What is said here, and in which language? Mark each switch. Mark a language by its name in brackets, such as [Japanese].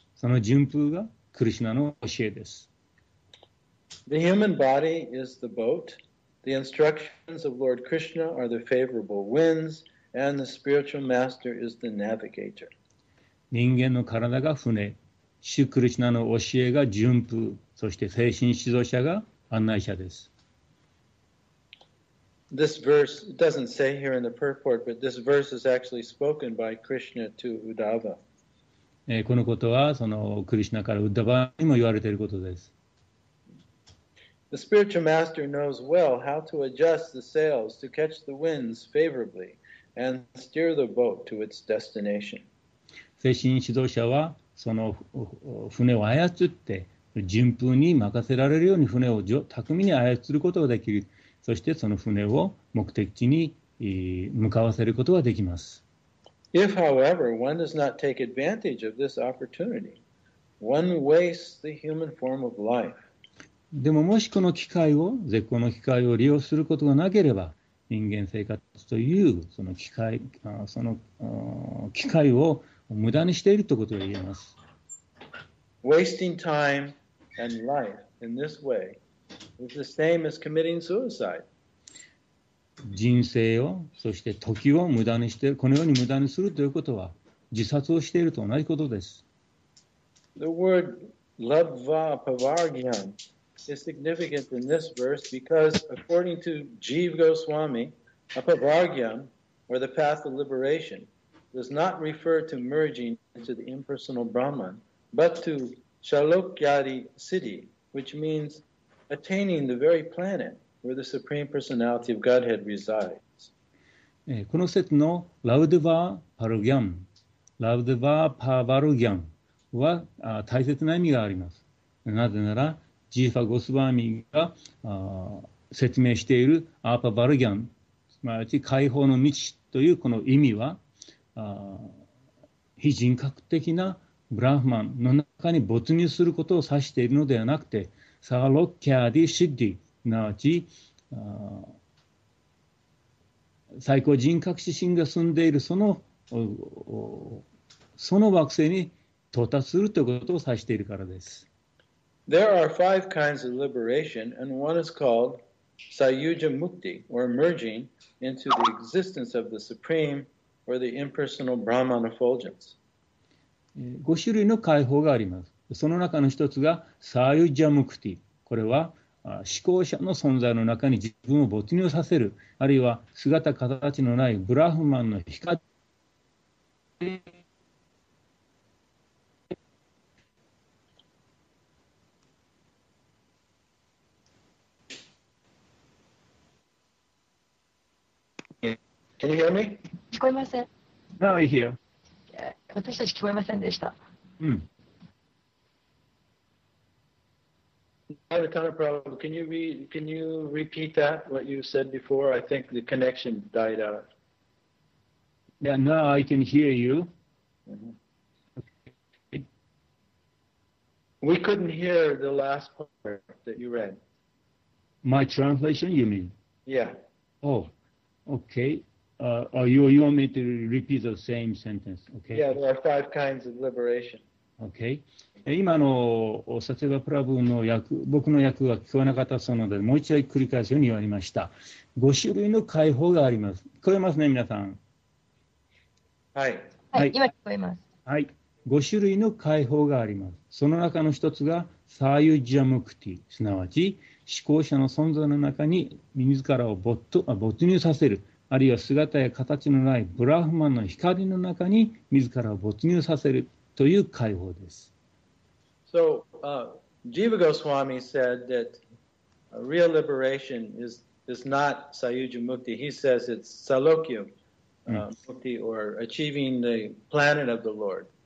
[Japanese] その順風がクリシナの教えです。 [English] The human body is the boat. The instructions of Lord Krishna are the favorable winds, and the spiritual master is the navigator. [Japanese] 人間の体が船、主クリシナの教えが順風、そして精神指導者が案内者です。 [English] This verse doesn't say here in the purport, but this verse is actually spoken by Krishna to Uddhava. [Japanese] このことはそのクリシナからウッダヴァにも言われていることです。 [English] The spiritual master knows well how to adjust the sails to catch the winds favorably and steer the boat to its destination. [Japanese] 精神指導者はその船を操って順風に任せられるように船を巧みに操ることができる。そしてその船を目的地に向かわせることができます。 [English] If, however, one does not take advantage of this opportunity, one wastes the human form of life. [Japanese] でももしこの機会を、絶好の機会を利用することがなければ、人間生活というその機会、その機会を無駄にしているということが言えます。 [English] Wasting time and life in this way is the same as committing suicide. [Japanese] 人生を、そして時を無駄にして、このように無駄にするということは、自殺をしていると同じことです。 [English] The word labva pavargyan. Is significant in this verse because according to Jiva Goswami, apavargyam, or the path of liberation, does not refer to merging into the impersonal Brahman, but to shalokyadi siddhi, which means attaining the very planet where the Supreme Personality of Godhead resides. [Japanese] この説のラウドヴァパルギャム、ラウドヴァパヴァルギャムは大切な意味があります。なぜなら、ジーファ・ゴスワーミーが説明しているアーパ・バルギャン、つまり解放の道というこの意味は、非人格的なブラフマンの中に没入することを指しているのではなくて、サーロッキャーディ・シッディ、すなわち最高人格指針が住んでいるその惑星に到達するということを指しているからです。 [English] There are five kinds of liberation, and one is called Sayuja Mukti, or merging into the existence of the Supreme, or the impersonal Brahman effulgence. [Japanese] 五種類の解放があります。その中の一つが Sayuja Mukti。これは思考者の存在の中に自分を没入させる、あるいは姿形のないブラフマンの光 [English] Can you hear me? [Japanese] 聞こえません。 [English] Now I hear. [Japanese] 私たち聞こえませんでした。 [English] I had a kind of problem. Can you repeat that, what you said before? I think the connection died out. Yeah, now I can hear you. We couldn't hear the last part that you read. My translation, you mean? Yeah. Oh, okay. You want me to repeat the same sentence, okay? Yeah, there are five kinds of liberation. Okay. [Japanese] 今のサテバプラブの訳、僕の訳が聞こえなかったそうなので、もう一回繰り返すように言われました。五種類の解放があります。聞こえますね、皆さん。はい。はい、今聞こえます。はい。五種類の解放があります。その中の一つが、サーユジャムクティ、すなわち、思考者の存在の中に自らを没入させる。あるいは姿や形のないブラフマンの光の中に自らを没入させるという解放です。 [English] So, Jiva Goswami said that real liberation is not Sayuja Mukti. He says it's Salokya Mukti or achieving the planet of the Lord.